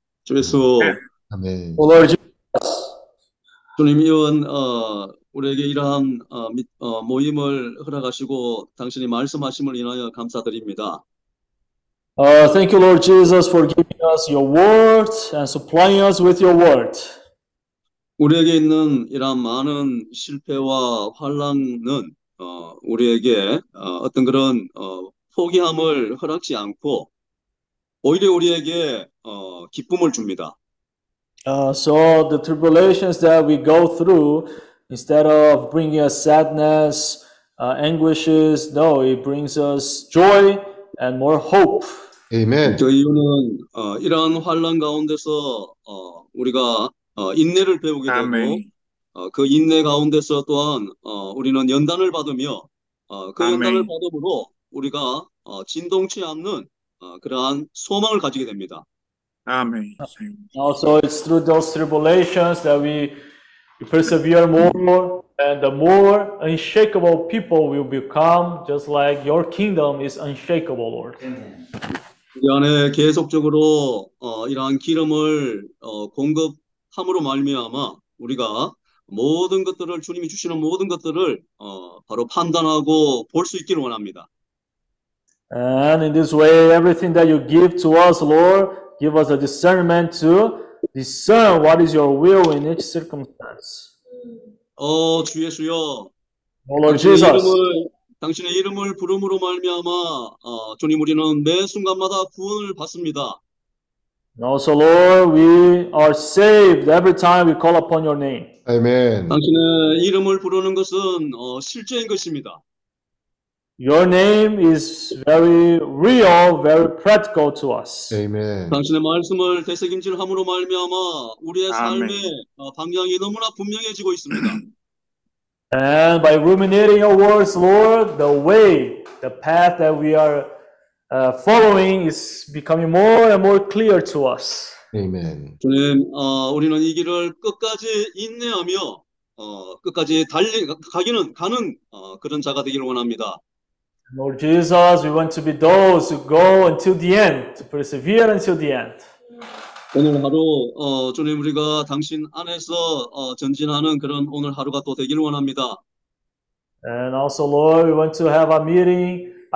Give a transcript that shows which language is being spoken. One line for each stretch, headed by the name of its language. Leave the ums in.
Korean: 주에서 오늘 주님 이원 어, 우리에게 이러한 어, 모임을 허락하시고 당신이 말씀하심을 인하여 감사드립니다.
English: Uh, thank you, Lord Jesus, for giving us your word and supplying us with your word.
Korean: 우리에게 있는 이러한 많은 실패와 환란은 어, 우리에게 어, 떤 그런 어, 포기함을 허락지 않고 오히려 우리에게 어, 기쁨을 줍니다.
English: Uh, so the tribulations that we go through, instead of bringing us sadness, uh, anguishes, no, it brings us joy and more hope. Amen.
Korean: 그 이유는 어, 이러한 환난 가운데서 어, 우리가 어, 인내를 배우게 되고, Amen. 어, 그 인내 가운데서 또한 어, 우리는 연단을 받으며, 어, 그 Amen. 연단을 받음으로 우리가 어, 진동치 않는 그러한 소망을 가지게 됩니다. 아멘.
English: Also, it's through those tribulations that we persevere more, and the more unshakable people will become, just like your kingdom is unshakable, Lord.
Korean: 우리 안에 계속적으로 어, 이러한 기름을 어, 공급함으로 말미암아 우리가 모든 것들을 주님이 주시는 모든 것들을 어, 바로 판단하고 볼 수 있기를 원합니다.
English: And in this way, everything that you give to us, Lord, give us a discernment to discern what is your will in each circumstance. Oh,
Korean: 주 예수여.
English: Oh, Lord Jesus.
Korean: 당신의 이름을 부름으로 말미암아 어, 주님 우리는 매 순간마다 구원을 받습니다.
English: Also, Lord, we are saved every time we call upon Your name. Amen.
Korean: 당신의 이름을 부르는 것은 어, 실제인 것입니다.
English: Your name is very real, very practical to us.
Korean: 당신의 말씀을 되새김질 함으로 말미암아 우리의 삶의 방향이 너무나 분명해지고 있습니다.
English: And by ruminating your words, Lord, the way, the path that we are following is becoming more and more clear to us.
Korean: Amen. 주님, 우리는 이 길을 끝까지 인내하며 끝까지 달리 가기는 가는 그런 자가 되기를 원합니다.
English: Lord Jesus, we want to be those who go until the end, to persevere until the end.
Korean: 오늘 하루 어, 주님 우리가 당신 안에서 어, 전진하는 그런 오늘 하루가 또되길 원합니다.
English: And also, Lord, we want to have a meeting.